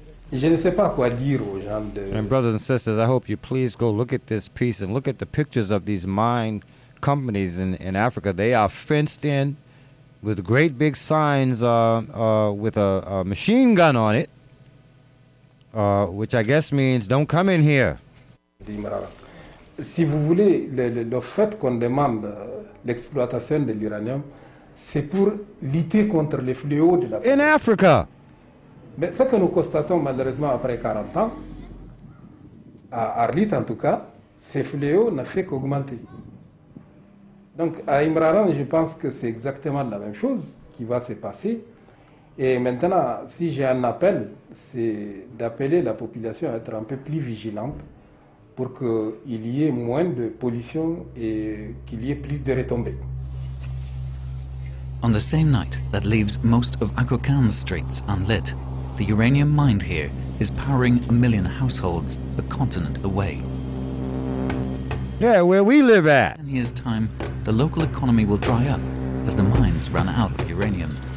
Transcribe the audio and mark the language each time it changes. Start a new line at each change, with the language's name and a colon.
English: And brothers and sisters, I hope you please go look at this piece and look at the pictures of these mine companies in Africa. They are fenced in with great big signs with a machine gun on it, which I guess means don't come in here.
French: Si vous voulez, le fait qu'on demande l'exploitation de l'uranium, c'est pour lutter contre les fléaux de la
English: In Africa.
French: Mais ce que nous constatons malheureusement après 40 ans, à Arlit en tout cas, ces fléaux n'ont fait qu'augmenter. Donc à Imraran, je pense que c'est exactement la même chose qui va se passer. Et maintenant, si j'ai un appel, c'est d'appeler la population à être un peu plus vigilante pour qu'il y ait moins de pollution et qu'il y ait plus de retombées.
English: On the same night that leaves most of Akokan's streets unlit, the uranium mine here is powering a million households a continent away. Yeah, where we live at. In 10 years' time, the local economy will dry up as the mines run out of uranium.